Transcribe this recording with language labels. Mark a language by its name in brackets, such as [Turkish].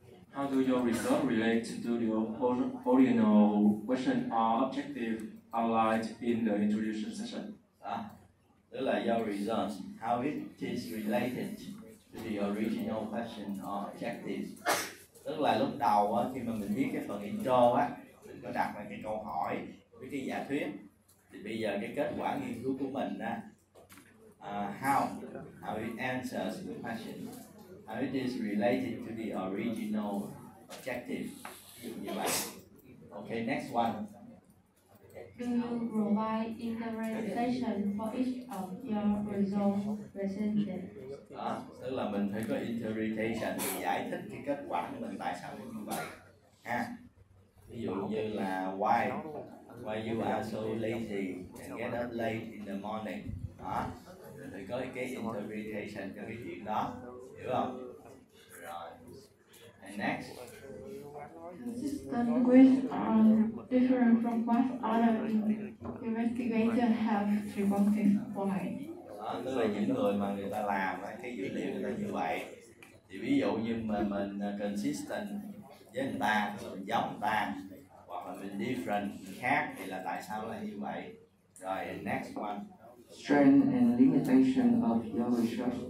[English] How do your results relate to your original question or objective outlined in the introduction session? [Vietnamese] Tức là [English] your results, how it is related to the original question or objective. [Vietnamese] Tức là lúc đầu á, khi mà mình viết cái phần intro á, mình có đặt ra cái câu hỏi với cái giả thuyết, thì bây giờ cái kết quả nghiên cứu của mình á, [English] how it answers the question, how it is related to the original objective. Okay, next one. Do you provide interpretation for each of your results presented? [Vietnamese] Tức là mình phải có interpretation để giải thích cái kết quả của mình tại sao như vậy. Ha. Ví dụ như là [English] why you are so lazy and get up late in the morning. [Vietnamese] Thì có cái interpretation cho cái chuyện đó, hiểu không? [English] Rồi. And next. Consistent with or different from what other investigators have reported, why? [Vietnamese] Tức là những người mà người ta làm cái dữ liệu người ta như vậy, thì ví dụ như mình consistent với người ta, mình giống người ta, hoặc là mình different, mình khác, thì là tại sao lại như vậy? [English] Rồi, and next one. Strength and limitation of your research.